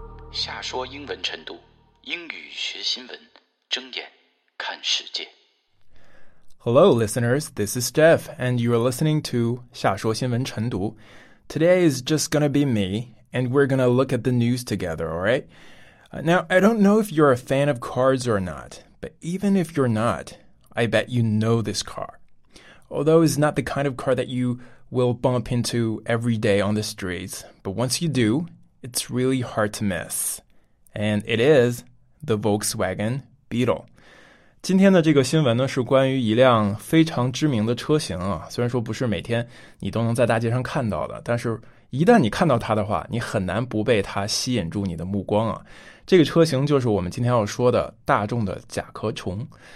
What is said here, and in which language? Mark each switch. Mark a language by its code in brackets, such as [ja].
[zh] 瞎说英文晨读，英语学新闻，睁眼看世界。 [en] Hello, listeners. This is Jeff, and you are listening to 瞎说新闻晨读. Today is just gonna be me, and we're gonna look at the news together. All right. Now, I don't know if you're a fan of cars or not, but even if you're not, I bet you know this car. Although it's not the kind of car that you will bump into every day on the streets, but once you do, it's really hard to miss. And it is the Volkswagen Beetle. [zh] 今天的这个新闻呢，是关于一辆非常知名的车型啊。虽然说不是每天你都能在大街上看到的，但是一旦你看到它的话，你很难不被它吸引住你的目光啊。这个车型就是我们今天要说的大众的甲壳虫。